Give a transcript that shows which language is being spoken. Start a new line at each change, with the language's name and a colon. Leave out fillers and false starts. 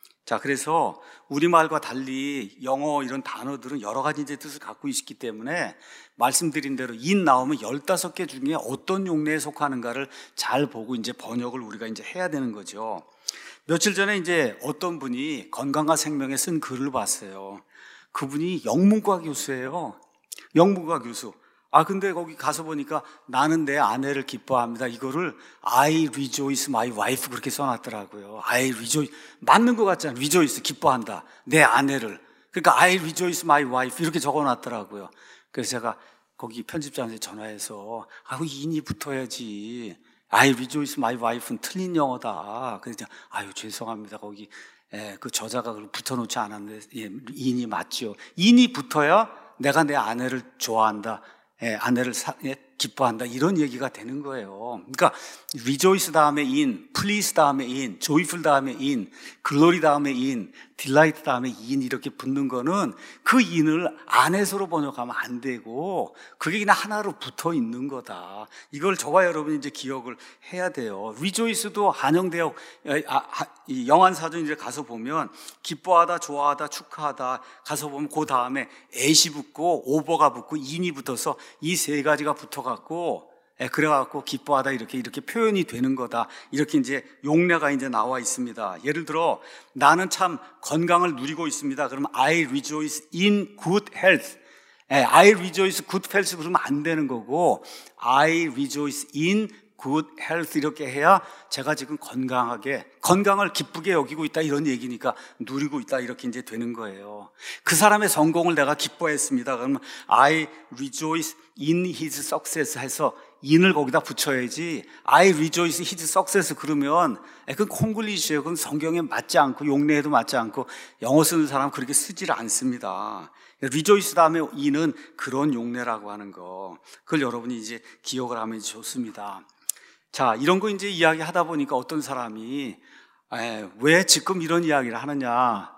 Korean: 자, 그래서 우리말과 달리 영어 이런 단어들은 여러 가지 이제 뜻을 갖고 있기 때문에 말씀드린 대로 in 나오면 15개 중에 어떤 용례에 속하는가를 잘 보고 이제 번역을 우리가 이제 해야 되는 거죠. 며칠 전에 이제 어떤 분이 건강과 생명에 쓴 글을 봤어요. 그분이 영문과 교수예요. 영문과 교수. 아, 근데 거기 가서 보니까 나는 내 아내를 기뻐합니다. 이거를
English: I rejoice my wife
Korean: 그렇게 써놨더라고요.
English: I rejoice.
Korean: 맞는 것 같잖아요. rejoice, 기뻐한다. 내 아내를. 그러니까
English: I rejoice my wife
Korean: 이렇게 적어놨더라고요. 그래서 제가 거기 편집장한테 전화해서 아, 인이 붙어야지.
English: I rejoice my wife는
Korean: 틀린 영어다. 그래서 아유, 죄송합니다. 거기, 그 저자가 붙어놓지 않았는데, 예, 인이 맞죠. 인이 붙어야 내가 내 아내를 좋아한다. 아내를 기뻐한다. 이런 얘기가 되는 거예요. 그러니까 rejoice 다음에 in, please 다음에 in, joyful 다음에 in, glory 다음에 in, delight 다음에 in 이렇게 붙는 거는 그 in을 안에서로 번역하면 안 되고 그게 그냥 하나로 붙어 있는 거다. 이걸 저와 여러분이 이제 기억을 해야 돼요. rejoice도 한영대어 영안사전에 가서 보면 기뻐하다, 좋아하다, 축하하다 가서 보면 그 다음에 at이 붙고 over가 붙고 in이 붙어서 이 세 가지가 붙어 갖고 그래갖고 기뻐하다 이렇게 표현이 되는 거다. 이렇게 이제 용례가 이제 나와 있습니다. 예를 들어 나는 참 건강을 누리고 있습니다. 그러면
English: I rejoice in good health. I rejoice good health
Korean: 그러면 안 되는 거고
English: I rejoice in good health
Korean: 이렇게 해야 제가 지금 건강하게 건강을 기쁘게 여기고 있다 이런 얘기니까 누리고 있다 이렇게 이제 되는 거예요. 그 사람의 성공을 내가 기뻐했습니다. 그러면
English: I rejoice in his success
Korean: 해서 in을 거기다 붙여야지
English: I rejoice his success
Korean: 그러면 그건 콩글리시예요. 그건 성경에 맞지 않고 용례에도 맞지 않고 영어 쓰는 사람 그렇게 쓰질 않습니다. rejoice 다음에 in은 그런 용례라고 하는 거 그걸 여러분이 이제 기억을 하면 좋습니다. 자, 이런 거 이제 이야기하다 보니까 어떤 사람이 왜 지금 이런 이야기를 하느냐.